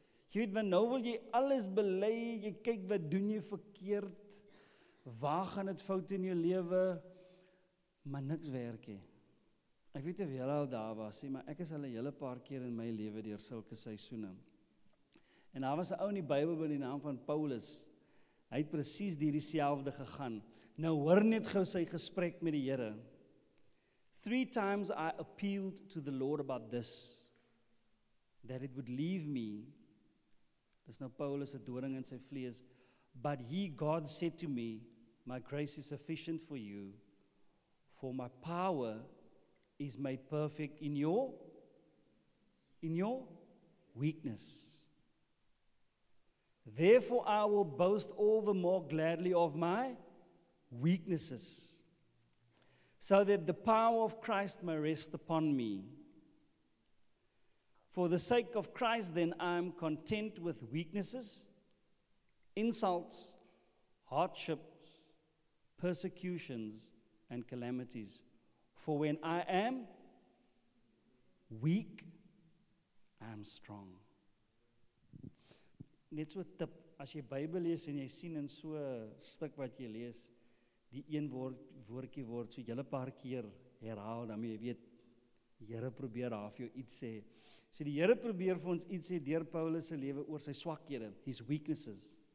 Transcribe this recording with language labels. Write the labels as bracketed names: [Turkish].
[Afrikaans] Jy weet, want nou wil jy alles bely, jy kyk wat doen jy verkeerd, waar gaan dit fout in jou lewe, maar niks werk nie. Ek weet of julle al daar was, maar ek is al 'n hele paar keer in my lewe deur sulke seisoene. En daar was 'n ou in die Bybel by die naam van Paulus. Hy het presies dieselfde gegaan. Nou hoor net gou sy gesprek met die Here. [English] 3 times I appealed to the Lord about this, that it would leave me. [Afrikaans] Dis nou Paulus se doring in sy vlees. [English] But he, God, said to me, my grace is sufficient for you, for my power is made perfect in your weakness. Therefore I will boast all the more gladly of my weaknesses, so that the power of Christ may rest upon me. For the sake of Christ, then, I am content with weaknesses, insults, hardships, persecutions, and calamities. For when I am weak, I am strong. [Afrikaans] Net so 'n tip, as jy Bybel lees en jy sien in so 'n stuk wat jy lees, die een woordjie word so julle paar keer herhaal, dan jy weet, die Here probeer daar vir jou iets sê. So die Here probeer vir ons iets sê deur Paulus se lewe oor sy swakhede, [English] his weaknesses.